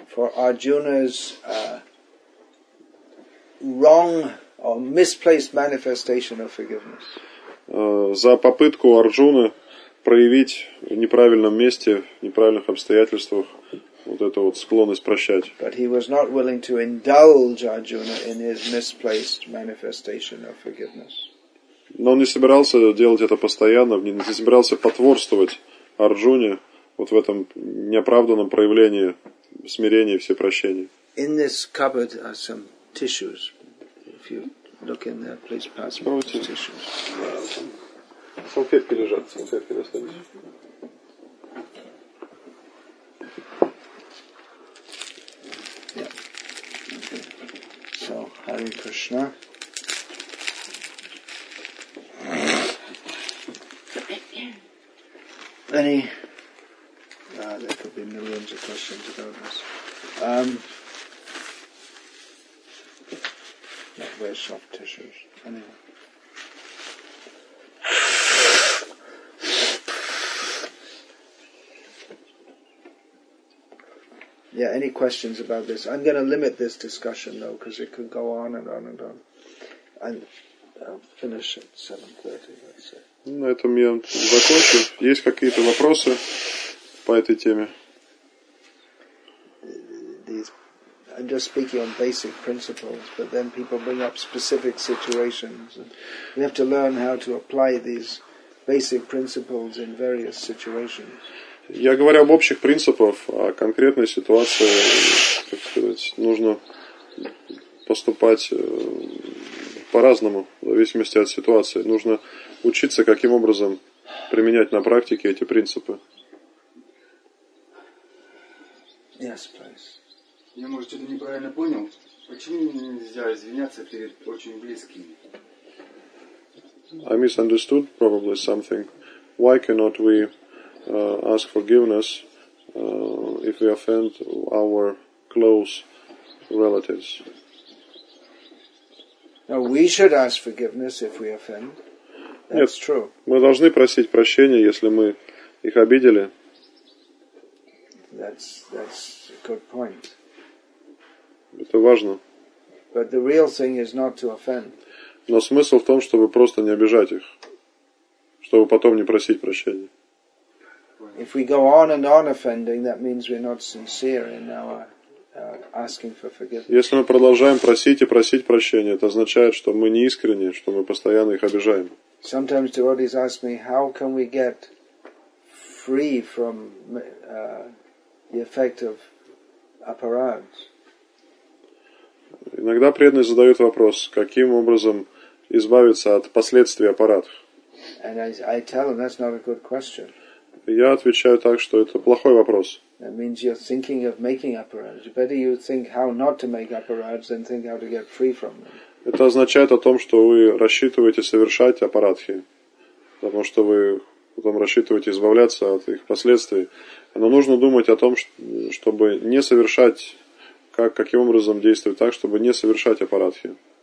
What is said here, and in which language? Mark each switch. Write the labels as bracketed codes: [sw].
[en] For Arjuna's wrong or misplaced manifestation of forgiveness. [ru] За попытку Арджуны проявить в неправильном месте, в неправильных обстоятельствах вот эту вот склонность прощать. [en] But he was not willing to indulge Arjuna in his misplaced manifestation of forgiveness. [ru] Но он не собирался делать это постоянно, не собирался потворствовать Арджуне вот в этом неоправданном проявлении смирения и всепрощения. [en] In this cupboard are some tissues. If you look in there, please pass me some tissues. [ru] Салфетки лежат, салфетки достаньте. [en] So, Hare Krishna. Any? There could be millions of questions about this. Not wear soft tissues. Anyway. Yeah, any questions about this? I'm going to limit this discussion, though, because it could go on and on and on. And I'll finish at 7:30, let's say. [ru] На этом я закончу. Есть какие-то вопросы по этой теме? [en] I'm just speaking on basic principles, but then people bring up specific situations. We have to learn how to apply these basic principles in various situations. [ru] Я говорю об общих принципах, а конкретной ситуации, как сказать, нужно поступать по-разному, в зависимости от ситуации. Нужно учиться, каким образом применять на практике эти принципы. [en] Yes, please. [ru] Я, может, что-то неправильно понял. Почему нельзя извиняться перед очень близкими? [en] I misunderstood probably something. Why cannot we ask forgiveness if we offend our close relatives? No, we should ask forgiveness if we offend. [ru] Нет, мы должны просить прощения, если мы их обидели. [en] That's a good point. [ru] Это важно. [en] But the real thing is not to offend. [ru] Но смысл в том, чтобы просто не обижать их, чтобы потом не просить прощения. [en] If we go on and on offending, that means we're not sincere in our asking for forgiveness. [ru] Если мы продолжаем просить и просить прощения, это означает, что мы не искренни, что мы постоянно их обижаем. [en] Sometimes devotees ask me, how can we get free from the effect of aparads? [ru] Иногда преданные задают вопрос, каким образом избавиться от последствий аппаратов. [en] And I tell them that's not a good question. [ru] Я отвечаю так, что это плохой вопрос. [en] That means you're thinking of making aparads. Better you think how not to make aparads than think how to get free from them. [ru] Это означает о том, что вы рассчитываете совершать апарадхи, потому что вы потом рассчитываете избавляться от их последствий. Но нужно думать о том, чтобы не совершать, каким образом действовать так, чтобы не совершать апарадхи.